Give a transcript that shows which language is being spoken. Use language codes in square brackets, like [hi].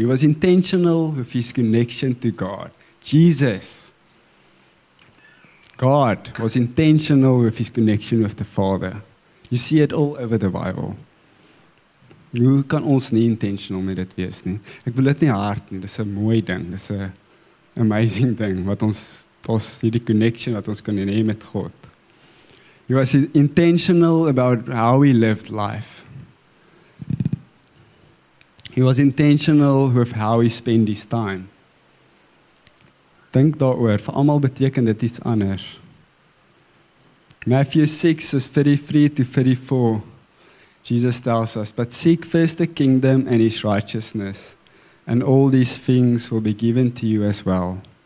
[en] He was intentional with his connection to God. Jesus. God was intentional with his connection with the Father. You see it all over the Bible. [af] Hoe kan ons nie intentional met dit wees nie? Ek wil dit nie hard nie, dit is 'n mooi ding, dit is 'n amazing ding, wat ons, hierdie connection, wat ons kan hê met God. [en] He was intentional about how he lived life. He was intentional with how he spent his time. Dink daaroor, vir almal beteken dit iets anders. Matthew 6 is 33 to 34. Jesus tells us, but seek first the kingdom and his righteousness, and all these things will be given to you as well.